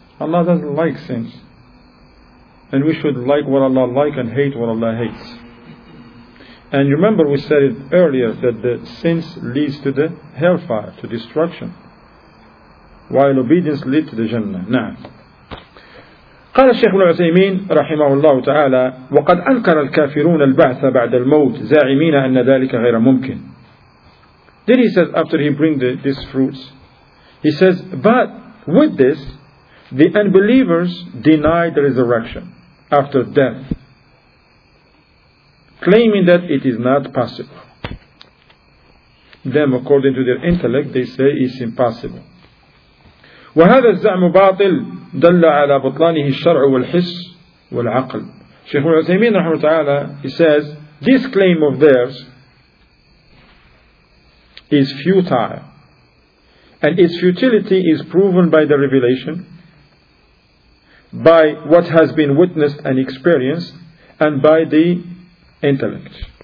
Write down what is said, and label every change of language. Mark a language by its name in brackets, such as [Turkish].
[English] Allah doesn't like sins. And we should like what Allah likes and hate what Allah hates. And remember we said it earlier that the sins leads to the hellfire, to destruction. While obedience leads to the Jannah. [Arabic] Naam. قال الشيخ ابن عثيمين رحمه الله تعالى وقد أنكر الكافرون البعث بعد الموت زاعمين أن ذلك غير ممكن. [English] Then he says after he brings these fruits, he says, but with this, the unbelievers deny the resurrection after death, claiming that it is not possible. Them, according to their intellect, they say it's impossible. [Arabic] وهذا الزعم باطل دل على بطلانه الشرع والحس والعقل. [English] Sheikh Al-Uthaymeen رحمه تعالى, he says, this claim of theirs is futile, and its futility is proven by the revelation, by what has been witnessed and experienced, and by the intellect.